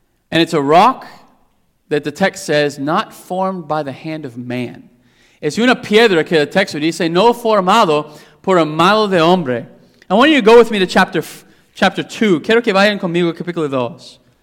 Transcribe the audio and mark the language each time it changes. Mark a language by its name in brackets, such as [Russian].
[English] And it's a rock that the text says, not formed by the hand of man. [Spanish] Es una piedra que el texto dice, no formado por el mano de hombre. [English] I want you to go with me to chapter 2. [Spanish] Quiero que vayan conmigo al capítulo 2.